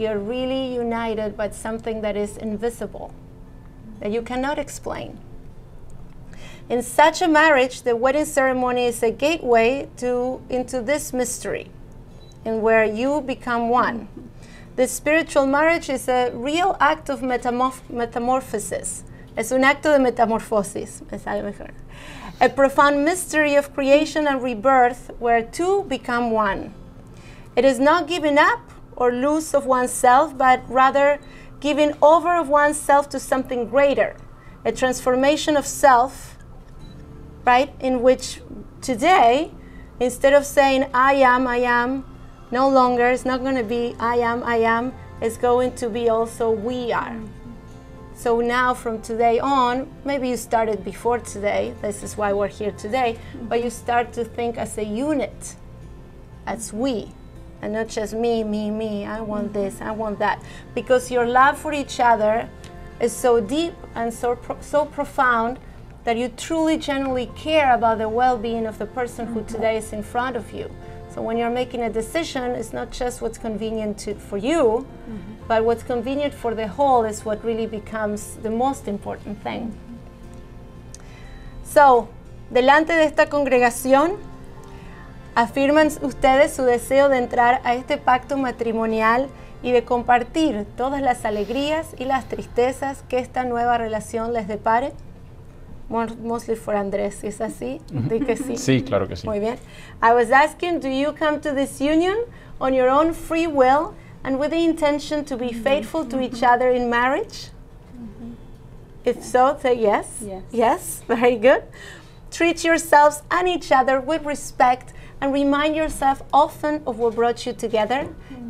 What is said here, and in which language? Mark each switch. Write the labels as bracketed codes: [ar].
[en] You're really united by something that is invisible, that you cannot explain. In such a marriage, the wedding ceremony is a gateway into this mystery, in where you become one. The spiritual marriage is a real act of metamorphosis. [es] Es un acto de metamorfosis, me sale mejor. [en] A profound mystery of creation and rebirth, where two become one. It is not giving up or loose of oneself, but rather giving over of oneself to something greater, a transformation of self, right? In which today, instead of saying, I am, no longer, it's not gonna be I am, it's going to be also we are. So now from today on, maybe you started before today, this is why we're here today, but you start to think as a unit, as we. And not just me, I want this, I want that. Because your love for each other is so deep and so profound that you truly, genuinely care about the well-being of the person who today is in front of you. So when you're making a decision, it's not just what's convenient for you, but what's convenient for the whole is what really becomes the most important thing. [es] So, delante de esta congregación, afirman ustedes su deseo de entrar a este pacto matrimonial y de compartir todas las alegrías y las tristezas que esta nueva relación les depare. [en] Mostly for [es] Andrés, ¿es así? ¿De que sí? Sí, claro que sí. Muy bien. [en] I was asking, do you come to this union on your own free will and with the intention to be faithful to each other in marriage? If so, say yes. Yes. Yes, very good. Treat yourselves and each other with respect and remind yourself often of what brought you together. Mm-hmm.